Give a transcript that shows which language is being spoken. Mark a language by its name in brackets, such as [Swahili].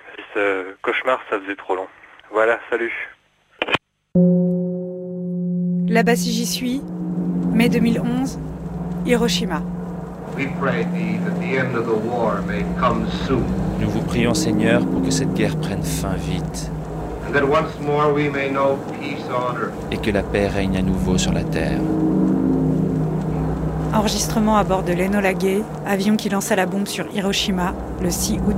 [French] Et ce cauchemar, ça faisait trop long. Voilà, salut. Là-bas, si j'y suis, mai 2011, Hiroshima. Nous vous prions, Seigneur, pour que cette guerre prenne fin vite. [English] And that once more we may know peace on earth. [French] Et que la paix règne à nouveau sur la terre. Enregistrement à bord de l'Enola Gay, avion qui lança la bombe sur Hiroshima le 6 août